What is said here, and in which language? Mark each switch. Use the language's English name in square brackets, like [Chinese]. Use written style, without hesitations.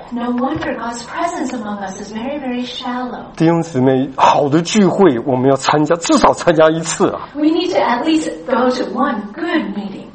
[English] No wonder God's presence among us is very, very shallow. [Chinese] 弟兄姊妹，好的聚会我们要参加，至少参加一次啊。 [English] We need to at least go to one good meeting.